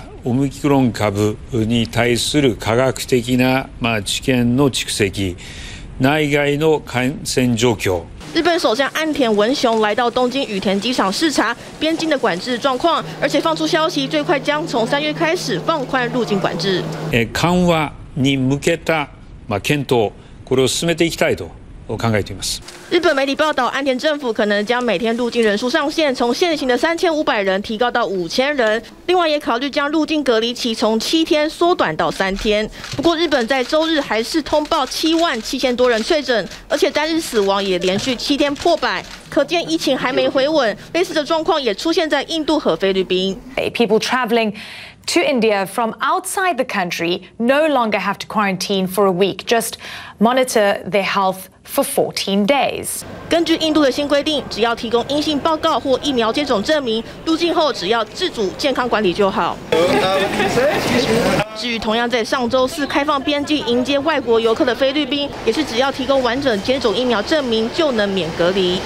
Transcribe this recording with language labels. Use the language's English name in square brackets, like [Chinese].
[Japanese] オミクロン株に対する科学的な知見の蓄積、内外の感染状況。 [Chinese] 日本首相岸田文雄来到东京羽田机场视察边境的管制状况，而且放出消息，最快将从3月开始放宽入境管制。 [Japanese] 緩和に向けた検討、これを進めていきたいと。我考えています。 [Chinese] 日本媒体报道，安田政府可能将每天入境人数上限从现行的3500人提高到5000人，另外也考虑将入境隔离期从7天缩短到3天。不过，日本在周日还是通报77000多人确诊，而且单日死亡也连续7天破百，可见疫情还没回稳。类似的状况也出现在印度和菲律宾。 [English] People traveling to India from outside the country no longer have to quarantine for a week, just monitor their health. for 14 days. [Chinese] 根据印度的新规定，只要提供阴性报告或疫苗接种证明，入境后只要自主健康管理就好。至于同样在上周四开放边境迎接外国游客的菲律宾，也是只要提供完整接种疫苗证明就能免隔离。